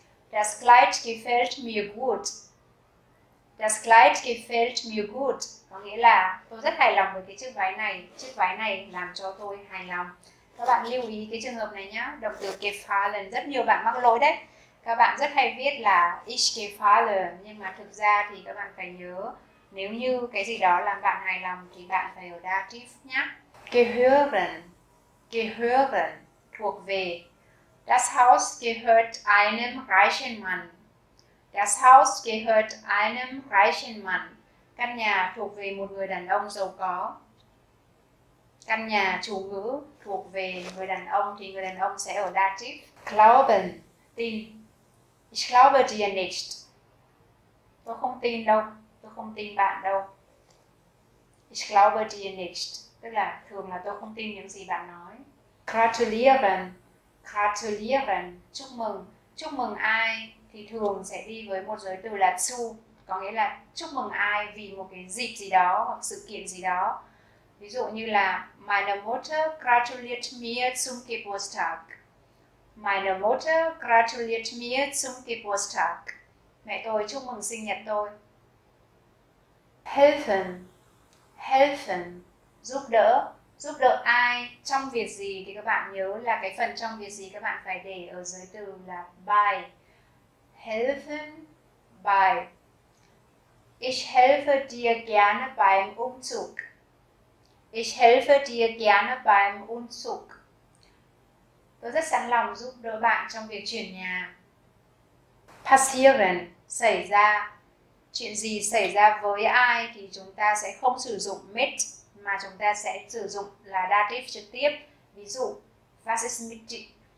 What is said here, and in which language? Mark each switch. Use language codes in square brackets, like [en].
[de] Das Kleid gefällt mir gut. Das Kleid gefällt mir gut, [vi] có nghĩa là tôi rất hài lòng với cái chiếc váy này làm cho tôi hài lòng. Các bạn lưu ý cái trường hợp này nhá, động từ gefallen rất nhiều bạn mắc lỗi đấy. Các bạn rất hay viết là [de] ich gefalle, [vi] nhưng mà thực ra thì các bạn phải nhớ nếu như cái gì đó làm bạn hài lòng thì bạn phải ở Dativ nhá. Gehören, gehören, thuộc về. [de] Das Haus gehört einem reichen Mann. Das Haus gehört einem reichen Mann. [vi] Căn nhà thuộc về một người đàn ông giàu có. Căn nhà chủ ngữ thuộc về người đàn ông thì người đàn ông sẽ ở Dativ. [de] Glauben, tin. Ich glaube dir nicht. [vi] Tôi không tin đâu, tôi không tin bạn đâu. [de] Ich glaube dir nicht. [vi] Tức là thường là tôi không tin những gì bạn nói. Gratulieren, gratulieren, chúc mừng. Chúc mừng ai thì thường sẽ đi với một giới từ là zu, có nghĩa là chúc mừng ai vì một cái dịp gì đó hoặc sự kiện gì đó. Ví dụ như là [de] meine Mutter gratuliert mir zum Geburtstag. Meine Mutter gratuliert mir zum Geburtstag. [vi] Mẹ tôi chúc mừng sinh nhật tôi. Helfen, helfen, giúp đỡ ai trong việc gì thì các bạn nhớ là cái phần trong việc gì các bạn phải để ở dưới từ là by. [de] Helfen by. Ich helfe dir gerne beim Umzug. Ich helfe dir gerne beim Umzug. [vi] Tôi rất sẵn lòng giúp đỡ bạn trong việc chuyển nhà. Passieren, xảy ra. Chuyện gì xảy ra với ai thì chúng ta sẽ không sử dụng mit mà chúng ta sẽ sử dụng là dative trực tiếp. Ví dụ, [de] was ist mit dir?